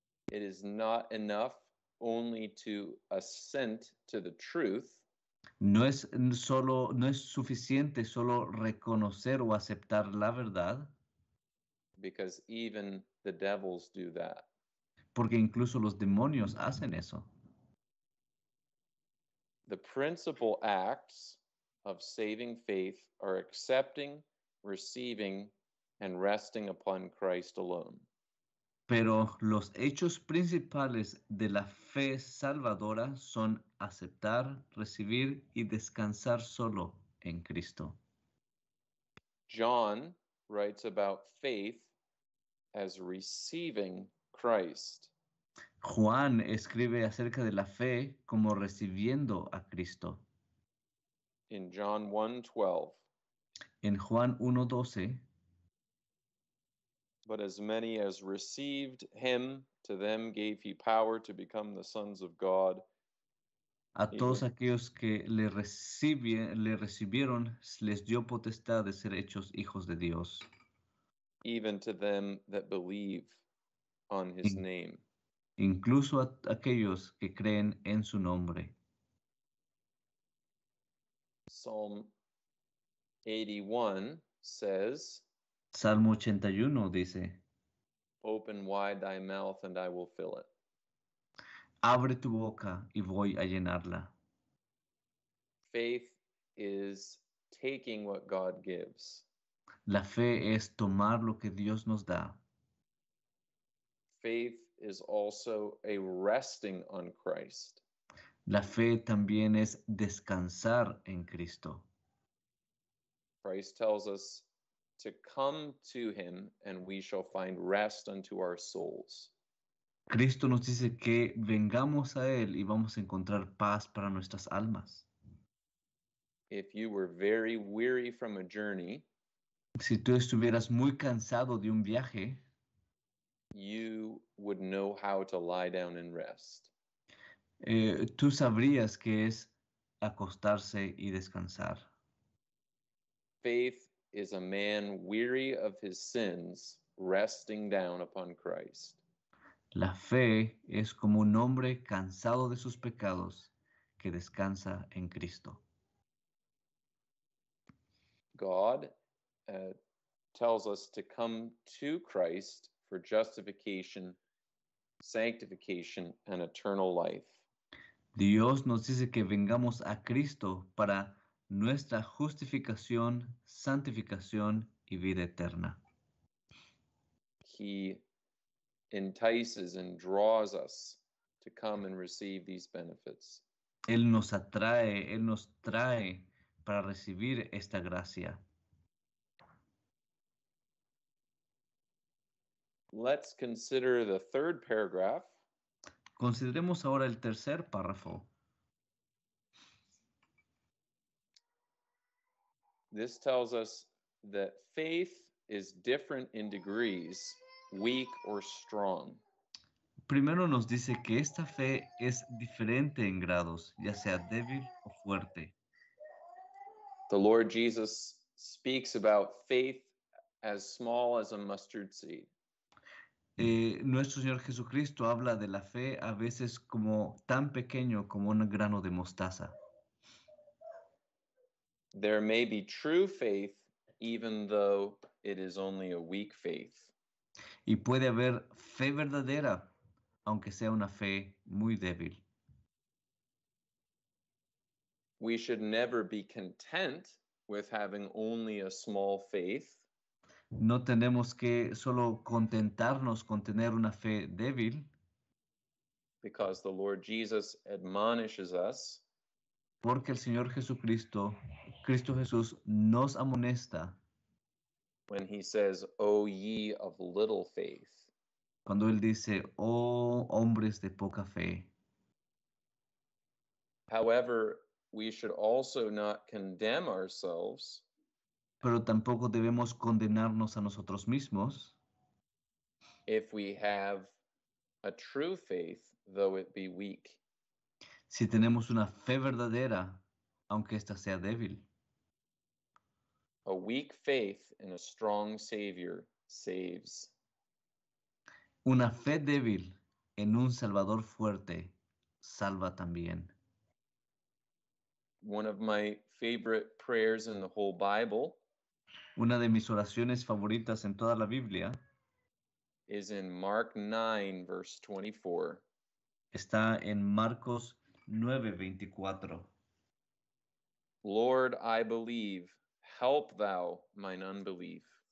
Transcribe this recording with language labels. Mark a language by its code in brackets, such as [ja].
[en] It is not enough only to assent to the truth. [es] No es suficiente solo reconocer o aceptar la verdad. [en] Because even the devils do that. [es] Porque incluso los demonios hacen eso. [en] The principal acts of saving faith are accepting, receiving, and resting upon Christ alone. [es] Pero los hechos principales de la fe salvadora son aceptar, recibir y descansar solo en Cristo. [en] John writes about faith as receiving Christ. [es] Juan escribe acerca de la fe como recibiendo a Cristo. [en] In John 1:12. [es] En Juan 1:12. [en] But as many as received him, to them gave he power to become the sons of God. [es] A todos aquellos que le recibieron, les dio potestad de ser hechos hijos de Dios. [en] Even to them that believe on his name. [es] incluso a aquellos que creen en su nombre. [en] Psalm 81 says, [es] Salmo 81 dice, [en] open wide thy mouth and I will fill it. [es] Abre tu boca y voy a llenarla. [en] Faith is taking what God gives. [es] La fe es tomar lo que Dios nos da. [en] Faith is also a resting on Christ. [es] La fe también es descansar en Cristo. [en] Christ tells us to come to him and we shall find rest unto our souls. [es] Cristo nos dice que vengamos a él y vamos a encontrar paz para nuestras almas. [en] If you were very weary from a journey, [es] si tú estuvieras muy cansado de un viaje, [en] you would know how to lie down and rest. [es] Tú sabrías qué es acostarse y descansar. [en] Faith is a man weary of his sins resting down upon Christ. [es] La fe es como un hombre cansado de sus pecados que descansa en Cristo. [en] God tells us to come to Christ for justification, sanctification, and eternal life. [es] Dios nos dice que vengamos a Cristo para nuestra justificación, santificación, y vida eterna. [en] He entices and draws us to come and receive these benefits. [es] Él nos atrae, Él nos trae para recibir esta gracia. [en] Let's consider the third paragraph. [es] Consideremos ahora el tercer párrafo. [en] This tells us that faith is different in degrees, weak or strong. [es] Primero nos dice que esta fe es diferente en grados, ya sea débil o fuerte. [en] The Lord Jesus speaks about faith as small as a mustard seed. [es] Nuestro Señor Jesucristo habla de la fe a veces como tan pequeño como un grano de mostaza. [en] There may be true faith, even though it is only a weak faith. [es] Y puede haber fe verdadera, aunque sea una fe muy débil. [en] We should never be content with having only a small faith. [es] No tenemos que solo contentarnos con tener una fe débil. [en] Because the Lord Jesus admonishes us. [es] Porque el Señor Jesucristo, Cristo Jesús, nos amonesta. [en] When he says, oh ye of little faith. [es] Cuando él dice, oh hombres de poca fe. [en] However, we should also not condemn ourselves. [es] Pero tampoco debemos condenarnos a nosotros mismos. [en] If we have a true faith, though it be weak. [es] Si tenemos una fe verdadera, aunque esta sea débil. [en] A weak faith in a strong Savior saves. [es] Una fe débil en un Salvador fuerte salva también. [en] One of my favorite prayers in the whole Bible. [es] Una de mis oraciones favoritas en toda la Biblia. [en] Is in Mark 9, verse 24. [es] Está en Marcos 9, 24. [en] Lord, I believe. Help thou mine unbelief.